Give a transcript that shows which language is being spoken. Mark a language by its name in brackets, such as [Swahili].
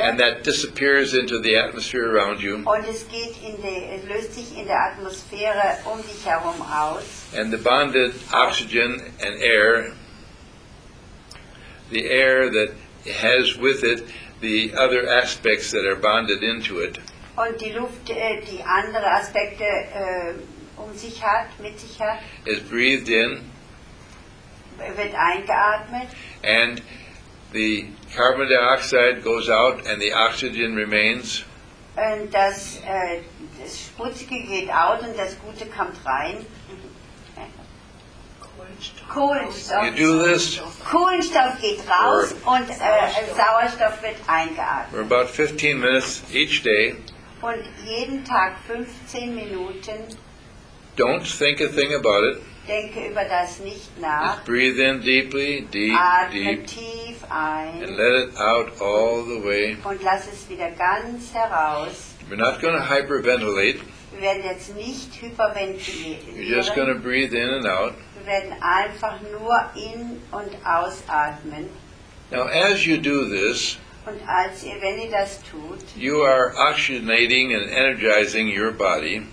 [English] and that disappears into the atmosphere around you. [German] Und es geht in die, es löst sich in der Atmosphäre um dich herum aus. [English] And the bonded oxygen and air, the air that has with it the other aspects that are bonded into it. [German] Und die Luft, die andere Aspekte um sich hat, mit sich hat, [English] is breathed in, [German] wird eingeatmet, [English] and the carbon dioxide goes out and the oxygen remains. [German] Und das, das Sputzige geht out und das Gute kommt rein. Kohlenstoff. [English] You do this. [German] Kohlenstoff geht raus und Sauerstoff wird eingeatmet. [English] For about 15 minutes each day. [German] Und jeden Tag 15 Minuten. [English] Don't think a thing about it. [German] Denke über das nicht nach. [English] Just breathe in deeply, deep, [German] atme [English] deep. [German] Tief ein. [English] And let it out all the way. [German] Und lass es wieder ganz heraus. [English] We're not going to hyperventilate. [German] Wir werden jetzt nicht hyperventilieren. [English] You're just going to breathe in and out. [German] Wir werden einfach nur in- und ausatmen. [English] Now, as you do this, [German] und als ihr, wenn ihr das tut, [English] you are oxygenating and energizing your body.